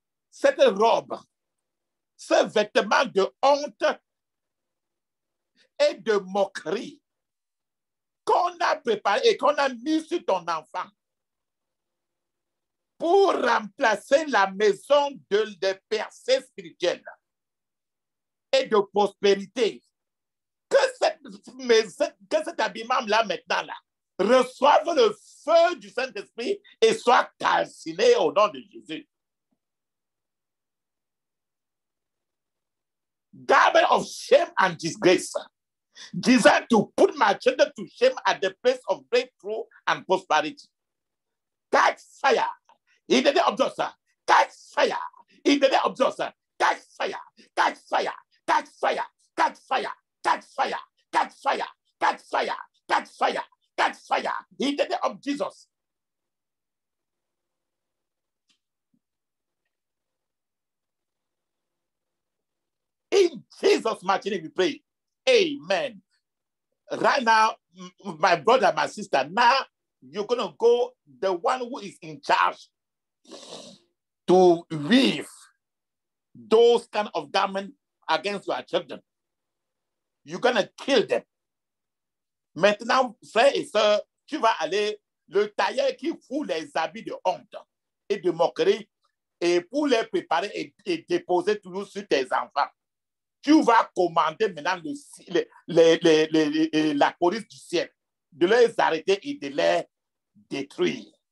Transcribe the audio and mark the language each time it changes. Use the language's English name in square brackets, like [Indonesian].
[French] Cette robe, ce vêtement de honte et de moquerie qu'on a préparé et qu'on a mis sur ton enfant pour remplacer la maison de percée spirituelle et de prospérité. Que cet habillement-là, maintenant, là, reçoive le feu du Saint-Esprit et soit calciné au nom de Jésus. [English] Garment of shame and disgrace, designed to put my children to shame at the place of breakthrough and prosperity. Catch fire in the name of Jesus. catch fire. In the name of Jesus, catch fire, catch fire, catch fire, catch fire, catch fire, catch fire, catch fire, catch fire, catch fire, in the name of Jesus. In Jesus' mighty name, we pray. Amen. Right now, my brother, my sister, now you're going to go, the one who is in charge, to weave those kind of garments against your children. You're going to kill them. [French] Maintenant, frère et soeur, tu vas aller, le tailleur qui fout les habits de honte et de moquerie, et pour les préparer et déposer toujours sur tes enfants. Tu vas commander maintenant la police du ciel de les arrêter et de les détruire.